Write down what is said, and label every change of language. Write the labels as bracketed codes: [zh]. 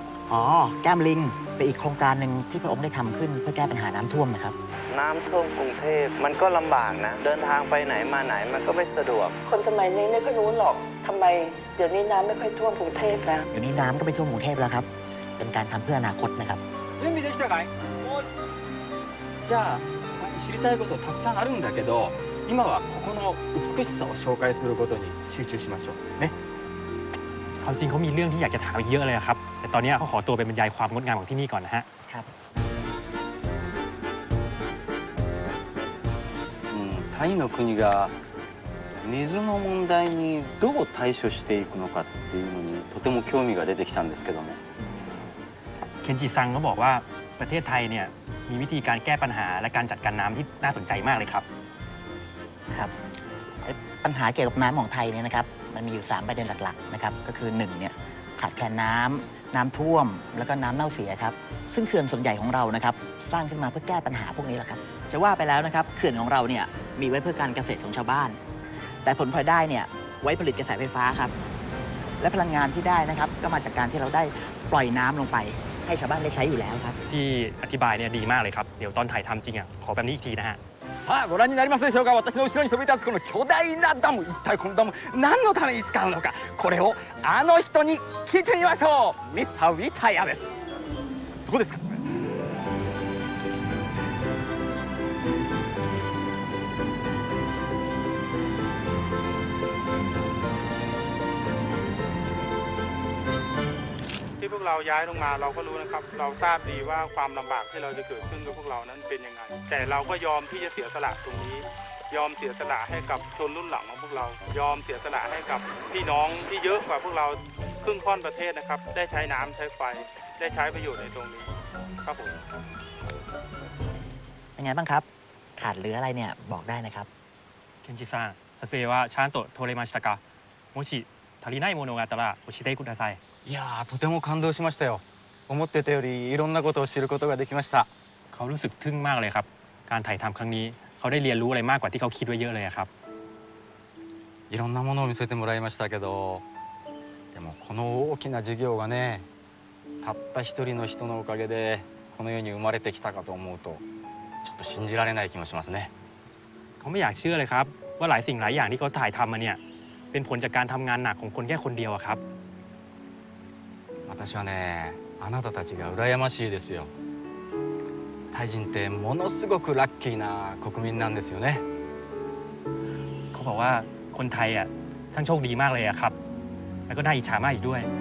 [th] อ๋อแก้มลิงเป็นอีกโครงการหนึ่งที่พระองค์ได้ทำขึ้นเพื่อแก้ปัญหาน้ำท่วมนะครับ น้ำท่วมกรุงเทพมันก็ลำบากนะเดินทางไปไหนมาไหนมันก็ไม่สะดวก คนสมัยนี้ไม่ค่อยรู้หรอกทำไมเดี๋ยวนี้น้ำไม่ค่อยท่วมกรุงเทพแล้ว เดี๋ยวนี้น้ำก็ไม่ท่วมกรุงเทพแล้วครับเป็นการทำเพื่ออนาคตนะครับ จะมีได้ยังไงโอ้ [ja] じゃあ知りたいことたくさんあるんだけど今はここの美しさを紹介することに集中しましょうね [th] ความจริงเขามีเรื่องที่อยากจะถามเยอะเลยครับแต่ตอนนี้เขาขอตัวไปบรรยายความงดงามของที่นี่ก่อนนะฮะ ครับ [ja] タイの国が水の問題にどう対処していくのかっていうのにとても興味が出てきたんですけども [th] ケンジさんが言うประเทศไทยเนี่ยมีวิธีการแก้ปัญหาและการจัดการน้ำที่น่าสนใจมากเลยครับ ครับปัญหาเกี่ยวกับน้ำของไทยเนี่ยนะครับมันมีอยู่3ประเด็นหลักๆนะครับก็คือ1เนี่ยขาดแคลนน้ำน้ำท่วมแล้วก็น้ำเน่าเสียครับซึ่งเขื่อนส่วนใหญ่ของเรานะครับสร้างขึ้นมาเพื่อแก้ปัญหาพวกนี้แหละครับจะว่าไปแล้วนะครับเขื่อนของเราเนี่ยมีไว้เพื่อการเกษตรของชาวบ้านแต่ผลพลอยได้เนี่ยไว้ผลิตกระแสไฟฟ้าครับและพลังงานที่ได้นะครับก็มาจากการที่เราได้ปล่อยน้ำลงไปให้ชาวบ้านได้ใช้อยู่แล้วครับ ที่อธิบายเนี่ยดีมากเลยครับเดี๋ยวตอนถ่ายทำจริงอ่ะขอแบบนี้อีกทีนะฮะ [ja] さあご覧になりますでしょうか私の後ろにそびえ立つこの巨大なダム一体このダム何のために使うのかこれをあの人に聞いてみましょうミスターウィタヤですどこですか [th] ที่พวกเราย้ายลงมาเราก็รู้นะครับเราทราบดีว่าความลำบากที่เราจะเกิดขึ้นกับพวกเรานั้นเป็นยังไงแต่เราก็ยอมที่จะเสียสละตรงนี้ ยอมเสียสละให้กับชนรุ่นหลังของพวกเรายอมเสียสละให้กับพี่น้องที่เยอะกว่าพวกเราครึ่งค่อนประเทศนะครับได้ใช้น้ำใช้ไฟได้ใช้ประโยชน์ในตรงนี้ครับผม ยังไงบ้างครับขาดเหลืออะไรเนี่ยบอกได้นะครับ [ja] เคนจิซังซาเซวะชานโตะโทเรมาชิตะกะมุชิ足りないものがあったら教えてください。いやとても感動しましたよ。思ってたよりいろんなことを知ることができました。 [th] เขารู้สึกทึ่งมากเลยครับการถ่ายทำครั้งนี้เขาได้เรียนรู้อะไรมากกว่าที่เขาคิดไว้เยอะเลยครับ [ja] いろんなものを見せてもらいましたけど、でもこの大きな授業がね、たった一人の人のおかげでこの世に生まれてきたかと思うと、ちょっと信じられない気もしますね。 [th] เขาไม่อยากเชื่อเลยครับว่าหลายสิ่งหลายอย่างที่เขาถ่ายทำมาเนี่ยเป็นผลจากการทำงานหนักของคนแค่คนเดียวครับ [ja] 私はね、あなたたちが羨ましいですよ。タイ人ってものすごくラッキーな国民なんですよね。 [th] เขาบอกว่าคนไทยอ่ะช่างโชคดีมากเลยครับแล้วก็น่าอิจฉามากอีกด้วย